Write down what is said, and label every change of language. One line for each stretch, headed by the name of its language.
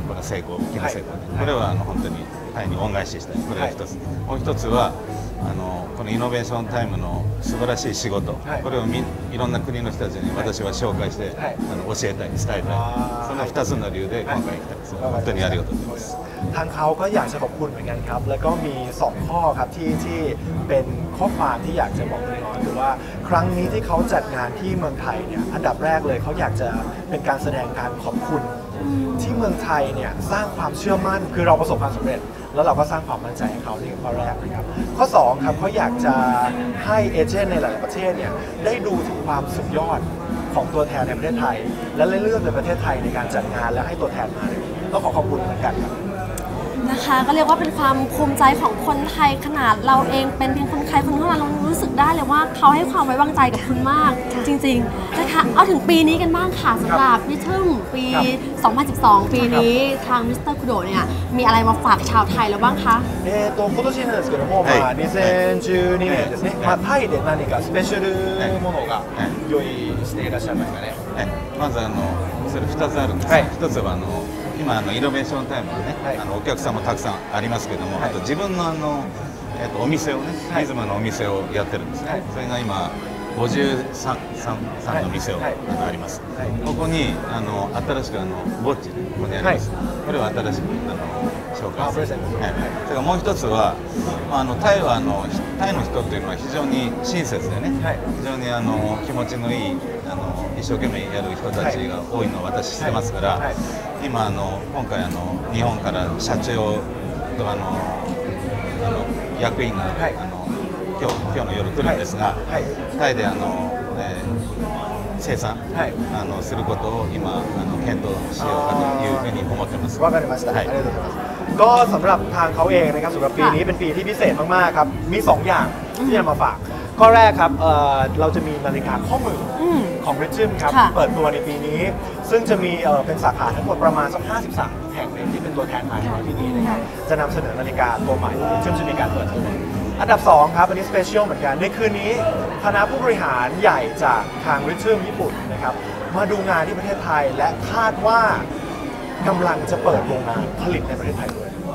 Japanese: これは成功、大きな成功で、はい、これは本当にタイに恩返ししたい、これが1つ、はい、もう1つはこのイノベーションタイムの素晴らしい仕事、はい、これをいろんな国の人たちに私は紹介して、はい、教えたい、伝えたい、その2つの理由で今回来たんです、はい、本当にありがとうございます。
Thai: ทางเขาก็อยากจะขอบคุณเหมือนกันครับแล้วก็มี2ข้อครับที่เป็นข้อความที่อยากจะบอกน้องคือว่าครั้งนี้ที่เขาจัดงานที่เมืองไทยเนี่ยอันดับแรกเลยเขาอยากจะเป็นการแสดงการขอบคุณ ที่เมืองไทยเนี่ยสร้างความเชื่อมั่นคือเราประสบความสำเร็จแล้วเราก็สร้างความมั่นใจให้เขานี่คือข้อแรกนะครับข้อ2ครับเขาอยากจะให้เอเจนต์ในหลายประเทศเนี่ยได้ดูถึงความสุดยอดของตัวแทนในประเทศไทยและได้เลือกในประเทศไทยในการจัดงานและให้ตัวแทนมาต้องขอขอบคุณเหมือนกันครับ นะคะก็เรียกว่าเป็นความภูมิใจของคนไทยขนาดเราเองเป็นเพียงคนไทยคนเท่านั้นเรารู้สึกได้เลยว่าเขาให้ความไว้วางใจกับคุณมากจริงๆนะคะเอาถึงปีนี้กันบ้างค่ะสำหรับมิชชั่นปี2012ปีนี้ทางมิสเตอร์คุโดะเนี่ยมีอะไรมาฝากชาวไทยแล้วบ้างคะ
Japanese: ことしなんですけども2012年ですねまあタイで何かスペシャルものが用意していらっしゃいますかねまずそれ2つあるんです1つは今イノベーションタイムでね、はい、お客さんもたくさんありますけども、はい、あと自分のお店をね、はい、リズムのお店をやってるんですね、はい、それが今 53さんの店をあります、はいはい、ここにあの新しくあのボッチでここにあります、はい、これを新しくあの紹介する、はいはい、それからもう一つは、まあ、あのタイはあのタイの人というのは非常に親切でね、はい、非常にあの気持ちのいいあの一生懸命やる人たちが多いのを私知ってますから、はいはいはい、今あの今回あの日本から社長とあのあの役員が、はい、あの今日の夜来るんですが、はいはい、タイであの、生産、はい、あのすることを今あの検討しようかというふうに思ってます。わかりました、はい、ありがとうございます。
Thai: ก็สำหรับทางเขาเองนะครับสำหรับปีนี้เป็นปีที่พิเศษมากๆครับมี2อย่างที่จะมาฝากข้อแรกครับเราจะมีนาฬิกาข้อมือ ของ Rhythm ครับเปิดตัวในปีนี้ซึ่งจะมีเป็นสาขาทั้งหมดประมาณสัก53แห่งในที่เป็นตัวแทนมาในปีนี้นะครับจะนำเสนอนาฬิกาตัวใหม่ซึ่งจะมีการเปิดตัวอันดับ2ครับอันนี้สเปเชียลเหมือนกันในคืนนี้คณะผู้บริหารใหญ่จากทางRhythmญี่ปุ่นนะครับมาดูงานที่ประเทศไทยและคาดว่ากำลังจะเปิดโรงงานผลิตในประเทศไทยด้วย